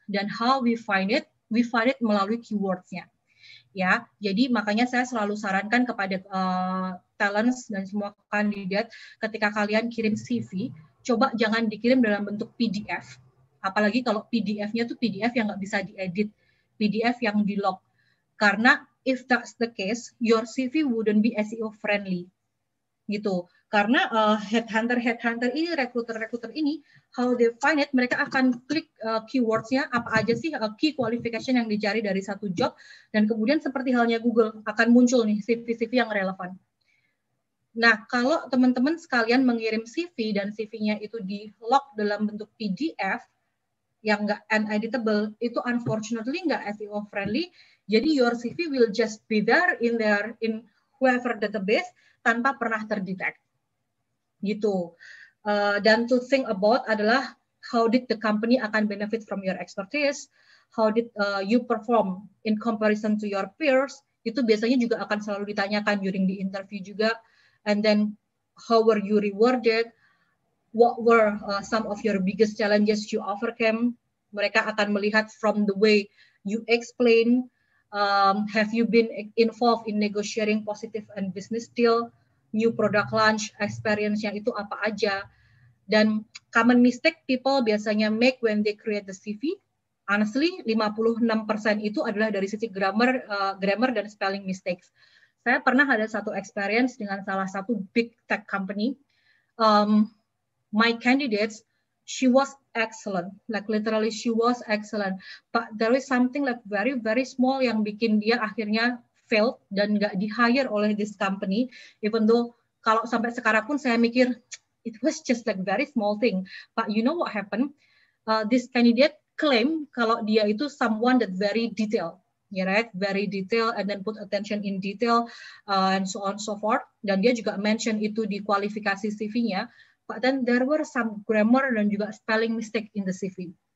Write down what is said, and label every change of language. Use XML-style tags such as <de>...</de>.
<id>Dan</id> <en>how we find it</en> <id>melalui keywordsnya. Ya, jadi makanya saya selalu sarankan kepada talents dan semua kandidat, ketika kalian kirim CV, coba jangan dikirim dalam bentuk PDF. Apalagi kalau PDF-nya itu PDF yang nggak bisa diedit, PDF yang di-lock. Karena</id> <en>if that's the case, your CV wouldn't be SEO friendly.</en> <id>Gitu. Karena headhunter ini, recruiter ini,</id> <en>how they find it,</en> <id>mereka akan klik keywords-nya, apa aja sih key qualification yang dicari dari satu job, dan kemudian seperti halnya Google, akan muncul nih CV-CV yang relevan. Nah, kalau teman-teman sekalian mengirim CV dan CV-nya itu di-lock dalam bentuk PDF yang nggak uneditable, itu unfortunately nggak SEO friendly. Jadi</id> <en>your CV will just be there in their in whoever database</en> <id>tanpa pernah terdetek. Gitu. Dan</id> <en>to think about</en> <id>adalah</id> <en>how did the company</en> <id>akan</id> <en>benefit from your expertise? How did you perform in comparison to your peers?</en> <id>Itu biasanya juga akan selalu ditanyakan</id> <en>during the interview</en> <id>juga.</id> <en>And then, how were you rewarded? What were some of your biggest challenges you overcame?</en> <id>Mereka akan melihat</id> <en>from the way you explain. Have you been involved in negotiating positive and business deal? New product launch experience-nya</en> <id>itu apa aja? Dan</id> <en>common mistake people</en> <id>biasanya</id> <en>make when they create the CV, honestly, 56%</en> <id>itu adalah dari sisi</id> <en>grammar dan spelling mistakes.</en> <id>Saya pernah ada satu experience dengan salah satu</id> <en>big tech company. My candidate, she was excellent. Like literally she was excellent. But there is something like very, very small</en> <id>yang bikin dia akhirnya failed dan nggak di-hire oleh this</id> <en>company. Even though</en> <id>kalau sampai sekarang pun saya mikir,</id> <en>it was just like very small thing. But you know what happened? This candidate claim</en> <id>kalau dia itu</id> <en>someone that very detailed. Yeah, right, very detail, and then put attention in detail, and so on so forth.</en> <id>Dan dia juga mention itu di kualifikasi CV-nya.</id> <en>But then there were some grammar</en> <id>dan juga</id> <en>spelling mistake in the CV.</en>